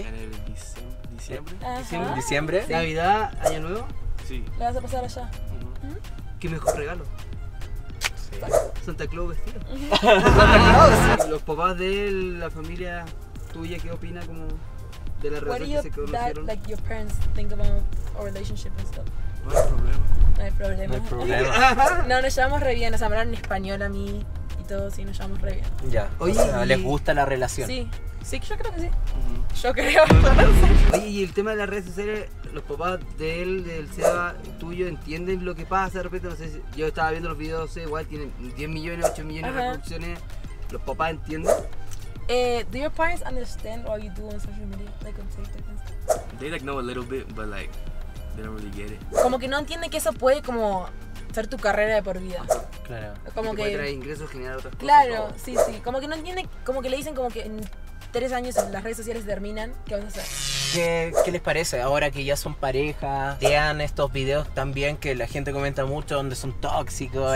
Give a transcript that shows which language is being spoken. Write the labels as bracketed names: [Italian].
[Spanish] En el diciembre. Ajá. ¿Diciembre? ¿Diciembre? Sí. ¿Navidad, año nuevo? Sí. ¿Le vas a pasar allá? Uh-huh. ¿Qué mejor regalo? Sí. Santa Claus vestido. ¿Santa Claus? Los papás de él, la familia... ¿Tuya qué opina como de la relación que se conocieron? [English] Like your parents think about our relationship and stuff. [Spanish] No hay problema. No, nos llevamos re bien, nos hablaron en español a mí y todo, sí, nos llevamos re bien. Ya. Oye, o sea, ¿les gusta la relación? Sí. Sí, yo creo que sí. Uh-huh. Yo creo. Oye, y el tema de las redes sociales, los papás de él, del Seba, tuyo, ¿entienden lo que pasa de repente? No sé, si yo estaba viendo los videos, sé, igual tienen 10 millones, 8 millones, uh-huh, de reproducciones. ¿Los papás entienden? [English] Do your parents understand what you do on social media, like on TikTok and stuff? They like know a little bit, but like they don't really get it. [Spanish] Como que no entiende que eso puede como ser tu carrera de por vida. Claro. Como que puede traer ingresos, generar otras, claro, cosas. Claro, sí, sí. Como que no entiende, como que le dicen como que en 3 años las redes sociales terminan, ¿qué vas a hacer? ¿Qué les parece ahora que ya son pareja? Vean estos videos también que la gente comenta mucho, donde son tóxicos,